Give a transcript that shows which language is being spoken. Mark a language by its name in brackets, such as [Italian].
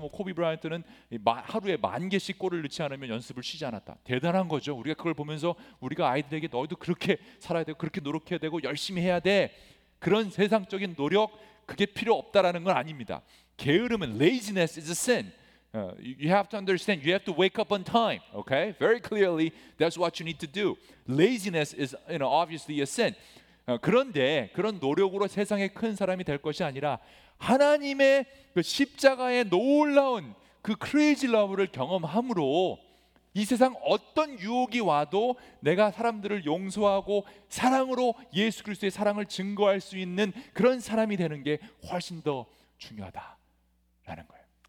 [Korean] 뭐 코비 브라이언트는 하루에 만 개씩 골을 넣지 않으면 연습을 쉬지 않았다. 대단한 거죠. 우리가 그걸 보면서 우리가 아이들에게 너희도 그렇게 살아야 되고 그렇게 노력해야 되고 열심히 해야 돼. 그런 세상적인 노력 그게 필요 없다라는 건 아닙니다. 게으름은 [English] laziness is a sin. You have to understand. You have to wake up on time. Okay, very clearly, that's what you need to do. Laziness is, you know, obviously a sin. [Korean] 그런데 그런 노력으로 세상에 큰 사람이 될 것이 아니라 하나님의 그 십자가의 놀라운 그 crazy love를 경험함으로 이 세상 어떤 유혹이 와도 내가 사람들을 용서하고 사랑으로 예수 그리스도의 사랑을 증거할 수 있는 그런 사람이 되는 게 훨씬 더 중요하다라는 거예요.